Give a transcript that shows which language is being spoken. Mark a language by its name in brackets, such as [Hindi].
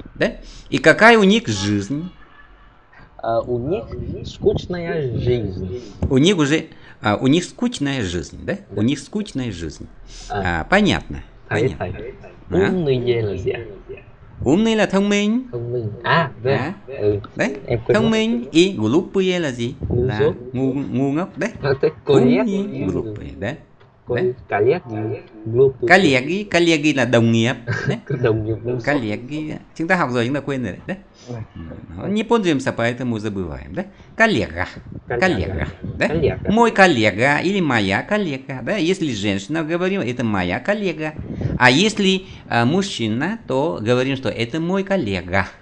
[Russian] Да? И какая у них жизнь? У них скучная жизнь. У них уже у них скучная жизнь, да? У них скучная жизнь. Понятно. Умные люди. Умные ли [Vietnamese] thông minh? Thông minh. А, да. [Russian] Да? [Vietnamese] Thông minh [Russian] и глупые [Vietnamese] là gì? Là ngu ngốc, да? [Russian] Коллеги, глупые, да? Коллеги, глупые. Коллеги, коллеги [Vietnamese] là đồng nghiệp, да? Đồng nghiệp. [Russian] Коллеги. [Vietnamese] Chúng ta học rồi chúng ta quên rồi, да? [Russian] Не пользуемся, поэтому забываем, да? Коллега. Коллега, да? Мой коллега или моя коллега, да? Если женщина говорим, это моя коллега. А если мужчина, то говорим, что это мой коллега.